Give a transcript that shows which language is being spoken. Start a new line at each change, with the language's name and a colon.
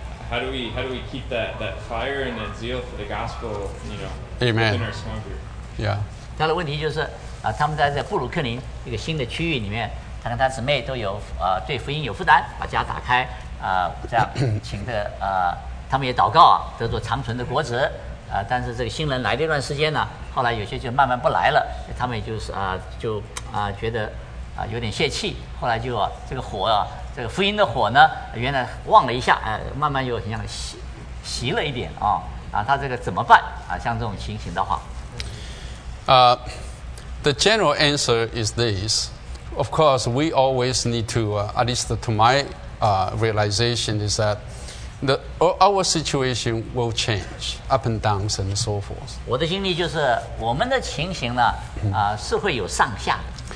English: How do we keep that fire and that zeal for the gospel? You know, Amen. Within our small group. Yeah.
Chinese: 他的问题就是他们在布鲁克林一个新的区域里面，他跟他姊妹都有对福音有负担，把家打开这样请的他们也祷告得做长存的果子但是这个新人来的一段时间呢后来有些就慢慢不来了他们也就是觉得有点泄气后来就这个火这个福音的火呢原来旺了一下慢慢又很像习了一点啊、哦、啊，他这个怎么办啊？像这种情形的话，
English: The general answer is this. Of course, we always need to, at least to my realization, is that our situation will change up and down and so forth.
Chinese: 我的经历就是我们的情形呢，是会有上下的。